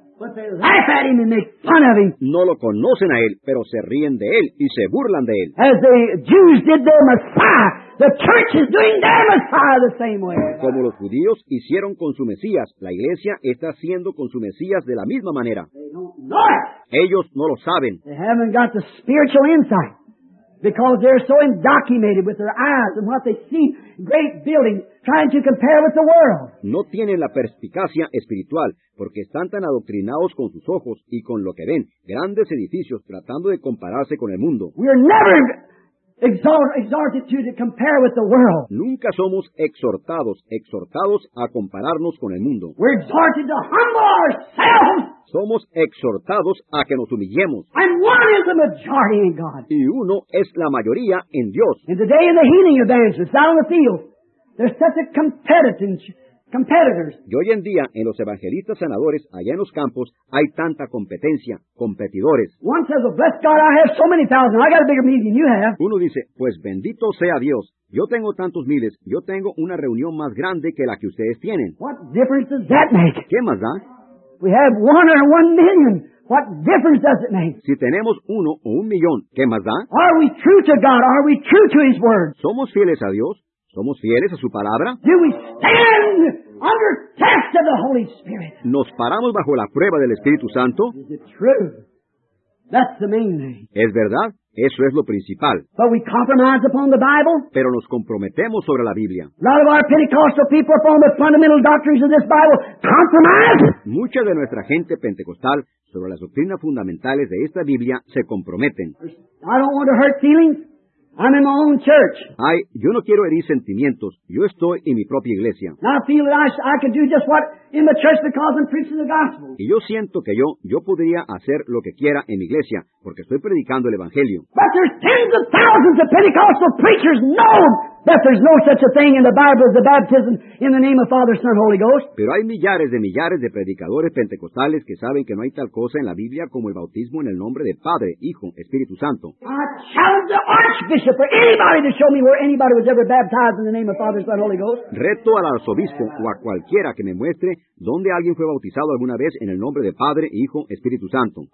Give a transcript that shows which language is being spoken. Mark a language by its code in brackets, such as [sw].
[en] They laugh at him and make fun of him. [es] No lo conocen a él, pero se ríen de él y se burlan de él. [en] As the Jews did their Messiah, the church is doing their Messiah the same way. [es] Como los judíos hicieron con su Mesías, la iglesia está haciendo con su Mesías de la misma manera. [en] They don't know it. [es] Ellos no lo saben. [en] They haven't got the spiritual insight. because they're so indoctrinated with their eyes and what they see, great buildings, trying to compare with the world. [es] No tienen la perspicacia espiritual porque están tan adoctrinados con sus ojos y con lo que ven, grandes edificios tratando de compararse con el mundo. [en] We are never exhorted to compare with the world. [es] Nunca somos exhortados a compararnos con el mundo. [en] We're exhorted to humble ourselves. [es] Somos exhortados a que nos humillemos. [en] And one is the majority in God. [es] Y uno es la mayoría en Dios. [en] In the day of the healing evangelists out on the field, there's such a competitors. [es] Y hoy en día, en los evangelistas sanadores, allá en los campos, hay tanta competencia, competidores. [en] One says, well, bless God, I have so many thousands. I got a bigger meeting than you have. [es] Uno dice, pues bendito sea Dios. Yo tengo tantos miles. Yo tengo una reunión más grande que la que ustedes tienen. [en] What difference does that make? [es] ¿Qué más da? [en] We have one or 1 million. What difference does it make? [es] Si tenemos uno o 1 millón, ¿qué más da? [en] Are we true to God? Are we true to His Word? [es] ¿Somos fieles a Dios? ¿Somos fieles a su palabra? [en] Do we stand under test of the Holy Spirit? [es] ¿Nos paramos bajo la prueba del Espíritu Santo? [en] Is it true? That's the main thing. [es] ¿Es verdad? Eso es lo principal. [en] But we compromise upon the Bible. [es] Pero nos comprometemos sobre la Biblia. [en] A lot of our Pentecostal people are formed with fundamental doctrines of this Bible. Compromise! [es] Mucha de nuestra gente pentecostal sobre las doctrinas fundamentales de esta Biblia se comprometen. [en] I don't want to hurt feelings. I'm in my own church. [es] Ay, yo no quiero herir sentimientos. Yo estoy en mi propia iglesia. [en] And I feel that I can do just what in the church because I'm preaching the gospel. [es] Y yo siento que yo podría hacer lo que quiera en mi iglesia porque estoy predicando el evangelio. [en] But there's tens of thousands of Pentecostal preachers know that there's no such a thing in the Bible as the baptism in the name of Father, Son, Holy Ghost. [es] Pero hay millares de predicadores pentecostales que saben que no hay tal cosa en la Biblia como el bautismo en el nombre de Padre, Hijo, Espíritu Santo. [en] I challenge the Archbishop or anybody to show me where anybody was ever baptized in the name of Father, Son, Holy Ghost. [es] Reto al arzobispo o a cualquiera que me muestre dónde alguien fue bautizado alguna vez en el nombre de Padre, Hijo, Espíritu Santo.